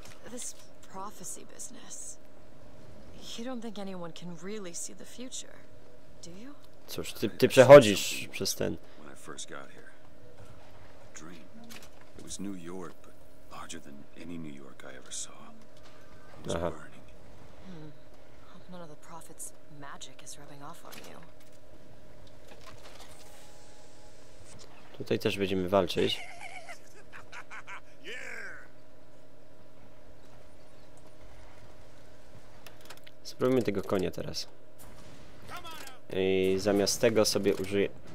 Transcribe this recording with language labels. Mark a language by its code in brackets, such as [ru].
[en] This prophecy business. You don't think anyone can really see the future, do you? [pl] Cóż, ty przechodzisz przez ten. [en] When I first got here, dream. It was New York, but larger than any New York I ever saw. It was burning. Hope none of the prophet's magic is rubbing off on you. [pl] Tutaj też będziemy walczyć. Spróbujmy tego konia teraz. I zamiast tego sobie użyję...